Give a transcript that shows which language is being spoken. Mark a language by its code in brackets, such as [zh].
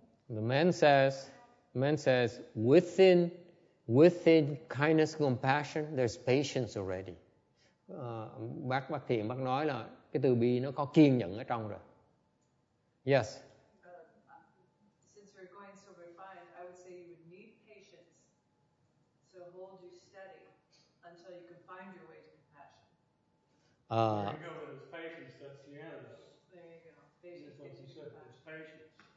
[en] The man says, within kindness and compassion, there's patience already. [vi] Bác thiền bác nói là cái từ bi nó có kiên nhẫn ở trong rồi. [en] Yes. Since we're going so refined, I would say you would need patience to hold you steady until you can find your way to compassion.